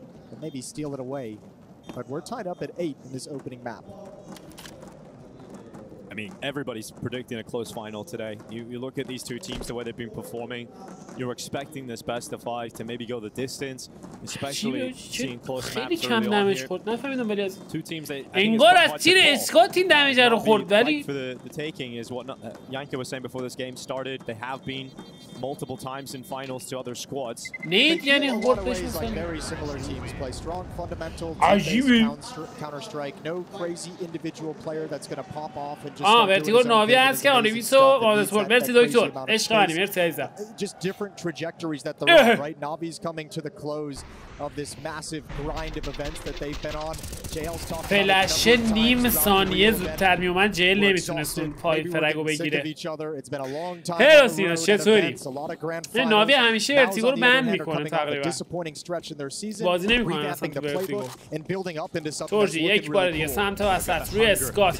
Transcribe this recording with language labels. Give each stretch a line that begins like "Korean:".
English: And maybe steal it away. But we're tied up at 8 in this opening map. I mean, everybody's predicting a close final today. You look at these two teams, the way they've been performing. You're expecting this best of 5 to maybe go the distance, especially seeing close maps early on here. Two teams that
Persian: انگار از تیر اسکات این دمیج رو خورد ولی
English: for the taking is what Yanka was saying before this game started. They have been multiple times in finals to other squads.
Persian: نید یعنی خوردش
English: very similar teams play strong fundamental counter strike, no crazy individual player that's going to pop off.
Persian: آه ورتیگو ناوی هست که آنویس و مادس بورد. مرسی دکتر، عشق منی، مرسی عزیزم.
English: Just different trajectories that they're on, right? Navi's coming to the close of this massive grind of events that they've been on. JL's talking about
Persian: فلش نیم ثانیه زودتر می اومد. JL نمیتونست اون پای فرگو بگیره. هلو سینا چطوری؟ ناوی همیشه ورتیگو رو بند میکنه تقریبا. بازی نمیکنه اصلا تو ورتیگو. تورجی یک بار دیگه سمت وسط روی اسکات.